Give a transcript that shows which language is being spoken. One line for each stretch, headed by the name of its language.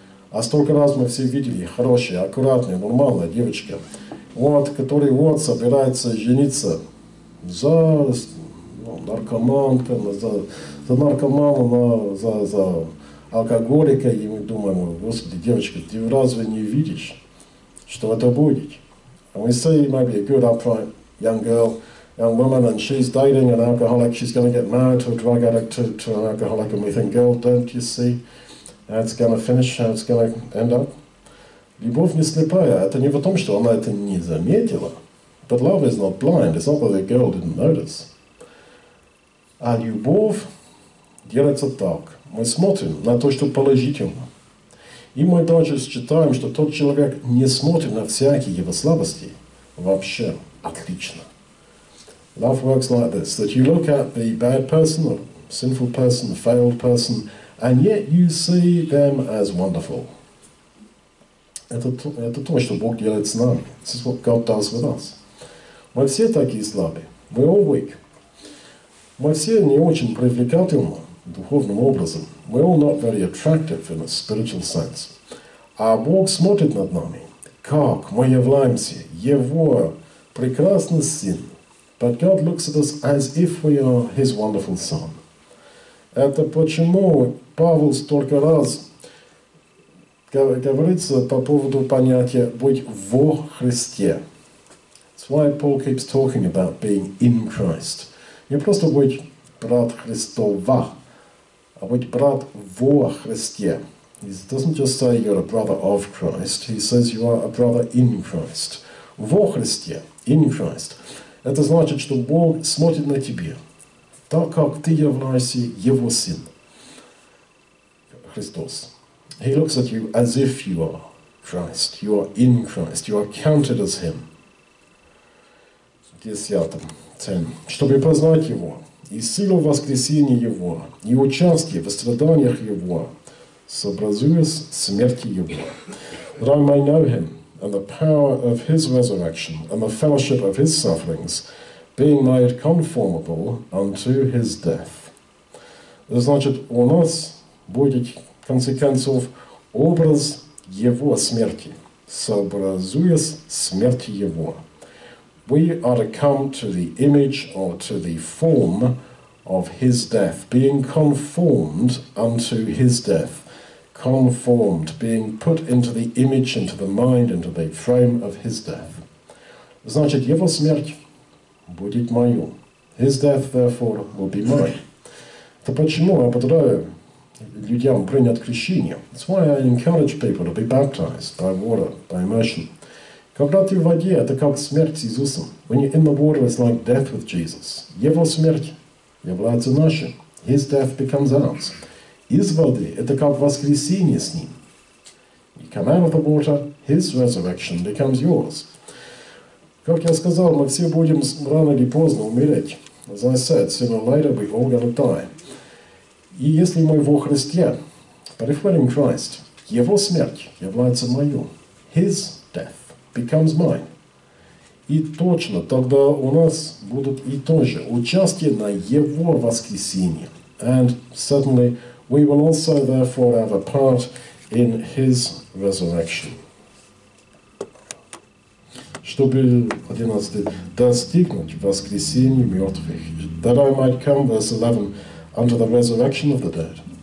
Russian: А столько раз мы все видели хорошие, аккуратные, нормальные девочки, вот, которые вот собираются жениться за, ну, наркоманка, за наркомана, за алкоголика, и мы думаем, господи, девочка, ты разве не видишь, что это будет?
English: And we see maybe a good upright young woman, and she's dating an alcoholic, she's going to get married to a drug addict, to an alcoholic, and we think, girl, don't you see how it's going to finish, how it's going to end up?
Russian: Любовь не слепая. Это не в том, что она это не заметила.
English: But love is not blind. It's not that the girl didn't notice.
Russian: А любовь делается так. Мы смотрим на то, что положительно. И мы также считаем, что тот человек не смотрит на всякие его слабости вообще отлично.
English: Love works like this, that you look at the bad person, the sinful person, the failed person, and yet you see them as wonderful.
Russian: Это то, что Бог делает с нами.
English: This is what God does with us.
Russian: Мы все такие слабые. Мы овык. Мы все не очень привлекательны духовным образом. Мы
English: all not very attractive in a spiritual sense.
Russian: А Бог смотрит над нами, как мы являемся Его прекрасным Сыном.
English: But God looks at us as if we are His wonderful Son.
Russian: Это почему Павел столько раз говорится по поводу понятия «быть во Христе».
English: That's why Paul keeps talking about being in Christ.
Russian: Не просто быть брат Христова, а быть брат во Христе.
English: He doesn't just say you're a brother of Christ. He says you are a brother in Christ.
Russian: Во Христе,
English: in Christ.
Russian: Это значит, что Бог смотрит на тебя, так как ты являешься Его Сын, Христос.
English: He looks at you as if you are Christ. You are in Christ. You are counted as Him. 10.
Russian: Чтобы познать Его, и силу воскресения Его, и участие в страданиях Его, сообразуясь смерти Его.
English: That I may know Him, and the power of His resurrection, and the fellowship of His sufferings, being made conformable unto His death.
Russian: Это значит, у нас будет, в конце концов, образ Его смерти, сообразуясь смерти Его.
English: We are to come to the image or to the form of His death, being conformed unto His death. Conformed, being put into the image, into the mind, into the frame of His death.
Russian: Значит, Его смерть будет мою.
English: His death, therefore, will be mine.
Russian: Это почему я ободряю людям принять крещение.
English: That's why I encourage people to be baptized by water, by immersion.
Russian: Когда ты в воде, это как смерть с Иисусом.
English: When you're in the water, it's like death with Jesus.
Russian: Его смерть является нашей.
English: His death becomes ours.
Russian: Из воды, это как воскресение с Ним.
English: You come out of the water, His resurrection becomes yours.
Russian: Как я сказал, мы все будем рано или поздно умереть.
English: As I said, sooner or later, we all gonna die.
Russian: И если мы во Христе,
English: but if we're in Christ,
Russian: Его смерть является мою.
English: His death becomes mine.
Russian: И точно тогда у нас будут и тоже участие на Его воскресение.
English: And certainly, we will also therefore have a part in His resurrection.
Russian: Чтобы, 11, достигнуть воскресения мертвых.
English: That I might come, verse 11, unto the resurrection of the dead.